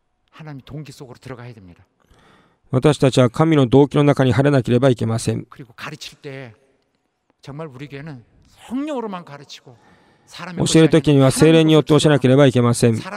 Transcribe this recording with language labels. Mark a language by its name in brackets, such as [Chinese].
[Korean] 하나님동기속으로들어가야됩니다 [Japanese] 우리たちは神の動機の中に入らなければいけません。 [Korean] 그리고가르칠때정말우리교회는성령으로만가르치고 [Japanese] 教える時には聖霊によって教えなければいけません。